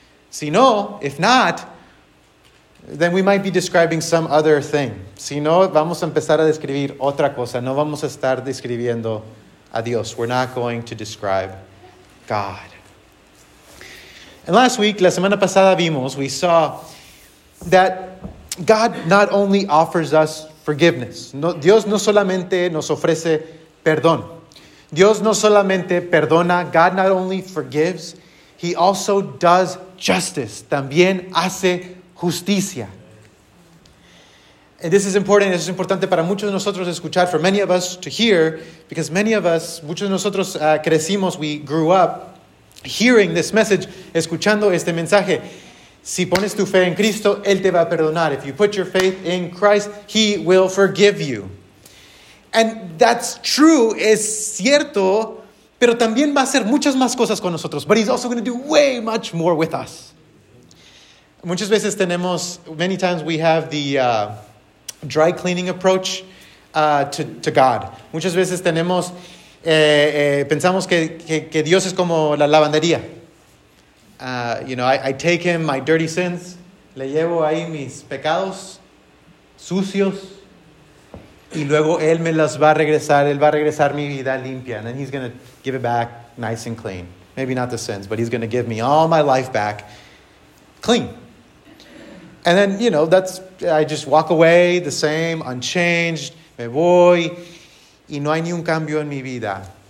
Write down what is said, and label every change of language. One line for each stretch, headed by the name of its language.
Spanish: Si no,
English: if not, then we might be describing some other thing.
Spanish: Si no, vamos a empezar a describir otra cosa. No vamos a estar describiendo a Dios.
English: We're not going to describe God. And last week,
Spanish: la semana pasada vimos,
English: we saw that God not only offers us forgiveness.
Spanish: No, Dios no solamente nos ofrece perdón. Dios no solamente perdona.
English: God not only forgives, He also does justice.
Spanish: También hace justicia.
English: And this is important.
Spanish: Esto es importante para muchos de nosotros escuchar,
English: for many of us to hear, because many of us,
Spanish: muchos de nosotros crecimos,
English: we grew up hearing this message,
Spanish: escuchando este mensaje. Si pones tu fe en Cristo, Él te va a perdonar.
English: If you put your faith in Christ, He will forgive you. And that's true,
Spanish: es cierto, pero también va a hacer muchas más cosas con nosotros.
English: But He's also going to do way much more with us.
Spanish: Muchas veces tenemos,
English: many times we have the dry cleaning approach to God.
Spanish: Muchas veces tenemos, pensamos que Dios es como la lavandería.
English: I take Him my dirty sins.
Spanish: Le llevo ahí mis pecados sucios. Y luego Él me las va a regresar. Él va a regresar mi vida limpia.
English: And then He's going to give it back nice and clean. Maybe not the sins, but He's going to give me all my life back clean. And then, you know, that's, I just walk away the same, unchanged,
Spanish: me voy, y no hay ni un cambio en mi vida.